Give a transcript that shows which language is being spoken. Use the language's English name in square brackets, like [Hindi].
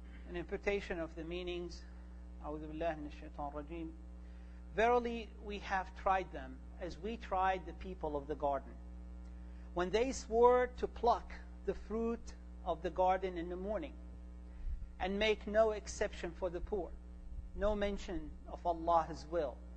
[English] An interpretation of the meanings. [Arabic] أعوذ بالله من الشيطان الرجيم. [English] Verily we have tried them as we tried the people of the garden when they swore to pluck the fruit of the garden in the morning and make no exception for the poor, no mention of Allah's will.